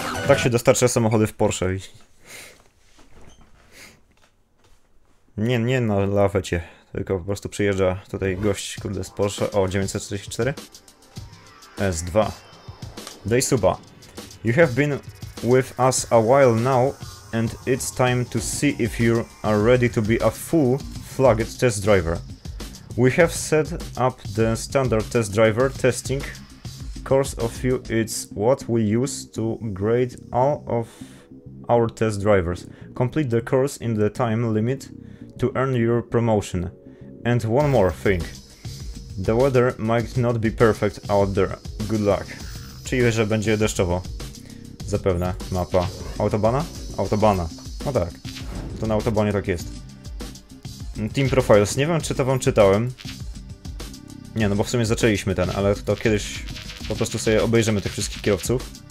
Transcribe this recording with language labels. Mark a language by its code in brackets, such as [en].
[pl] Tak się dostarcza samochody w Porsche. Nie na lafecie, tylko po prostu przyjeżdża tutaj gość, kurde, z Porsche. O, 944? S2. Daisuba. [en] You have been with us a while now, and it's time to see if you are ready to be a full-flagged test driver. We have set up the standard test driver testing course of you. It's what we use to grade all of our test drivers. Complete the course in the time limit to earn your promotion. And one more thing. The weather might not be perfect out there. Good luck. [pl] Czyli, że będzie deszczowo. Zapewne mapa. Autobana? Autobana. No tak. To na autobanie tak jest. [en] Team Profiles. [pl] Nie wiem, czy to wam czytałem. Nie, no bo w sumie zaczęliśmy ten, ale to kiedyś po prostu sobie obejrzymy tych wszystkich kierowców.